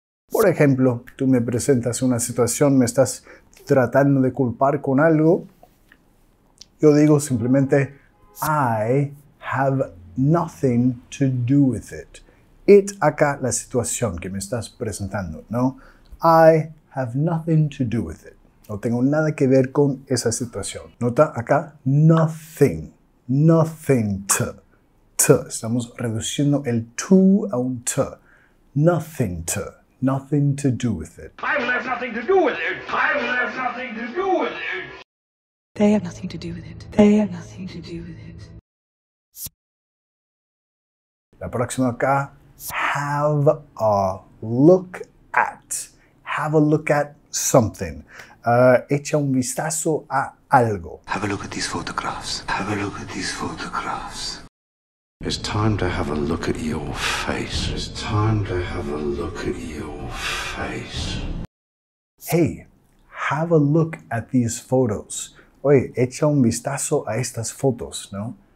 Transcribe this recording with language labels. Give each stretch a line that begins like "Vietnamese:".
Spanish: Por ejemplo, tú me presentas una situación, me estás tratando de culpar con algo. Yo digo simplemente,
English: I have nothing to do with it.
Spanish: It acá la situación que me estás presentando, ¿no?
English: I have nothing to do with it.
Spanish: No tengo nada que ver con esa situación. Nota acá,
English: nothing, nothing to, to.
Spanish: Estamos reduciendo el to a un to.
English: Nothing to, nothing to do with it. I have nothing to do with it. I have nothing to do with it. They have nothing to do with it. They have nothing to do with it.
Spanish: La próxima acá,
English: have a look at. Have a look at something.
Spanish: Echa un vistazo a algo.
English: Have a look at these photographs. Have a look at these photographs. It's time to have a look at your face. It's time to have a look at your face. Hey, have a look at these photos.
Spanish: Oye, echa un vistazo a estas fotos, ¿no?